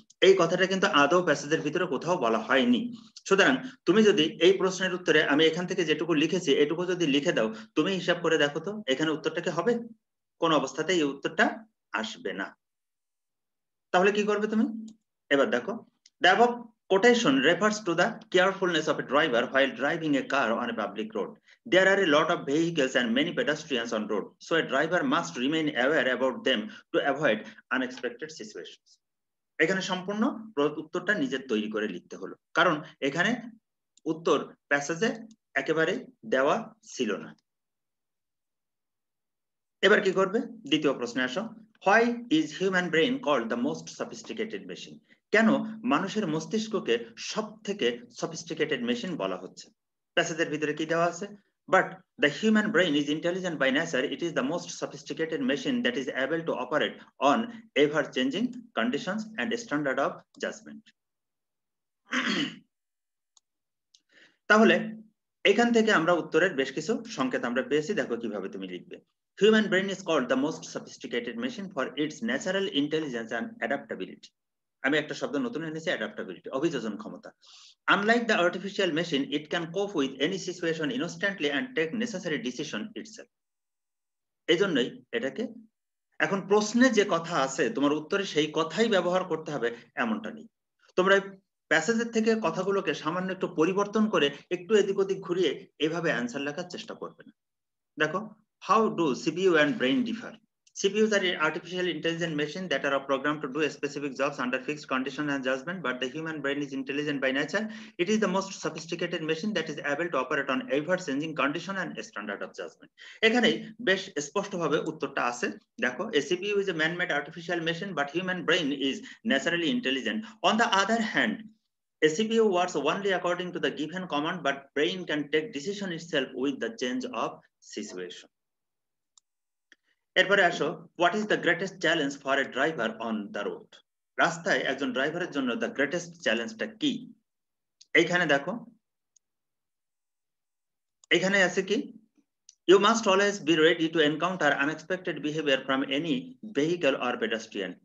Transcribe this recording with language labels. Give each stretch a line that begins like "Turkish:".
Bangla: এই কথাটা কিন্তু আদৌ প্যাসেজের ভিতরে কোথাও বলা হয়নি। সুতরাং তুমি যদি এই প্রশ্নের উত্তরে আমি এখান থেকে যেটুকু লিখেছি এটুকু যদি লিখে দাও, তুমি হিসাব করে দেখো তো এখানে উত্তরটা কি হবে? কোন অবস্থাতে এই উত্তরটা আসবে না। তাহলে কি করবে তুমি? এবার দেখো,
English: The above quotation refers to the carefulness of a driver while driving a car on a public road. There are a lot of vehicles and many pedestrians on road, so a driver must remain aware about them to avoid unexpected situations.
Bangla: এখানে সম্পূর্ণ উত্তরটা নিজের তৈরি করে লিখতে হলো, কারণ এখানে উত্তর প্যাসেজে একেবারে দেওয়া ছিল না। এবার কি করবে, দ্বিতীয় প্রশ্নে আসো।
English: Why is human brain called the most sophisticated machine?
Bangla: কেন মানুষের মস্তিষ্ককে সবথেকে সফিস্টিকেটেড মেশিন বলা হচ্ছে? প্যাসেজের ভিতরে কি দেওয়া আছে?
English: But the human brain is intelligent by nature, it is the most sophisticated machine that is able to operate on ever changing conditions and standard of judgment.
Bangla: তাহলে এখান থেকে আমরা উত্তরের বেশ কিছু সংকেত আমরা পেয়েছি, দেখো কিভাবে তুমি লিখবে।
English: Human brain is called the most sophisticated machine for its natural intelligence and adaptability.
Bangla: আমি একটা শব্দ নতুন এনেছি,
English: adaptability,
Bangla: অভিযোজন ক্ষমতা।
English: Unlike the artificial machine it can cope with any situation instantly and take necessary decision itself.
Bangla: এই জন্যই এটাকে এখন প্রশ্নে যে কথা আছে তোমার উত্তরে সেই কথাই ব্যবহার করতে হবে এমনটা নেই। তোমরা প্যাসেজের থেকে কথাগুলোকে সামান্য একটু পরিবর্তন করে একটু এদিক ওদিক ঘুরিয়ে এভাবে অ্যান্সার লেখার চেষ্টা করবে না। দেখো,
English: How do CPU and brain differ. CPUs are artificial intelligent machine that are programmed to do a specific jobs under fixed condition and judgment, but the human brain is intelligent by nature. It is the most sophisticated machine that is able to operate on ever changing condition and standard of judgment.
Bangla: এখানে বেশ স্পষ্ট ভাবে উত্তরটা আছে। দেখো,
English: a CPU is a man made artificial machine, but human brain is naturally intelligent. On the other hand, a CPU works only according to the given command, but brain can take decision itself with the change of situation.
Bangla: এরপরে আসো,
English: What is the greatest challenge for a driver on the road.
Bangla: রাস্তায় একজন ড্রাইভারের জন্য the greatest চ্যালেঞ্জটা কি? এইখানে দেখো, এখানে আছে কি,
English: You must always be ready to encounter unexpected behaviour from any vehicle or pedestrian.